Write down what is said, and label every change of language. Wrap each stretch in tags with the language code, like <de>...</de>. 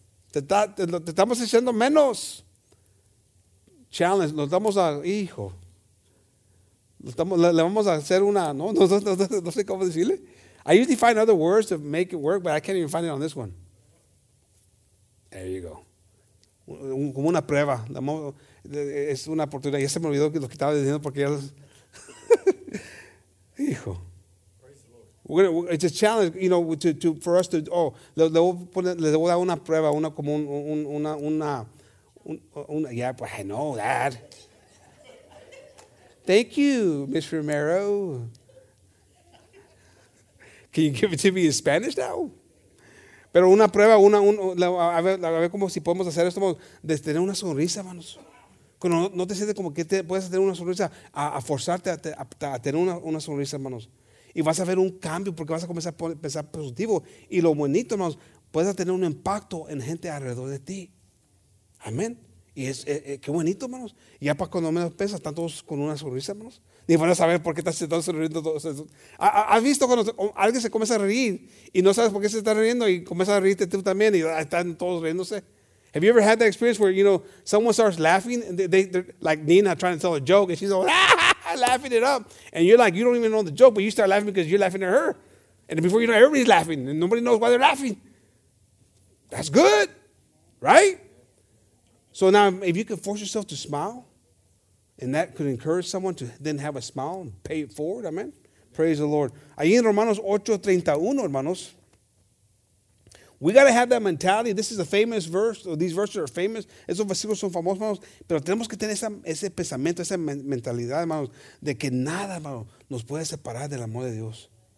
<es>Te estamos echando menos. Challenge. Nos damos a hijo. Le vamos a hacer una. No sé cómo decirle.</es> <en>I usually find other words to make it work, but I can't even find it on this one. There you go.</en> <es>Como una prueba. Es una oportunidad. Ya se me olvidó lo que estaba diciendo porque ya. Hijo.</es> <en>It's a challenge, you know, to for us to.</en> <es>Oh, le voy a dar una prueba, una como una.</es> <en>Yeah, but I know that. Thank you, Ms. Romero. Can you give it to me in Spanish now?</en> <es>Pero una prueba, a ver cómo si podemos hacer esto, de tener una sonrisa, manos. Cuando no te sientes como que puedes tener una sonrisa, a forzarte a tener una sonrisa, manos. Y vas a ver un cambio porque vas a comenzar a pensar positivo. Y lo bonito, hermanos, puedes tener un impacto en gente alrededor de ti. Amén. Y es qué bonito, hermanos. Y ya para cuando menos pesas, están todos con una sonrisa, hermanos. Ni van a saber por qué están sonriendo todos. ¿Has visto cuando alguien se comienza a reír y no sabes por qué se está riendo y comienza a reírte tú también y están todos riéndose?</es> <en>Have you ever had that experience where, you know, someone starts laughing and they're like Nina trying to tell a joke and she's all, ah! Laughing it up, and you're like, you don't even know the joke, but you start laughing because you're laughing at her. And before you know, everybody's laughing, and nobody knows why they're laughing. That's good, right? So now, if you can force yourself to smile, and that could encourage someone to then have a smile and pay it forward, amen. Praise the Lord.</en> <es>Ahí en Romanos 8:31, hermanos,</es> <en>we got to have that mentality. This is a famous verse, or these verses are famous.</en> <es>Esos versículos son famosos, hermanos. Pero tenemos que tener ese pensamiento, esa mentalidad, hermanos, de que nada, hermanos, nos puede separar del amor de Dios.</es>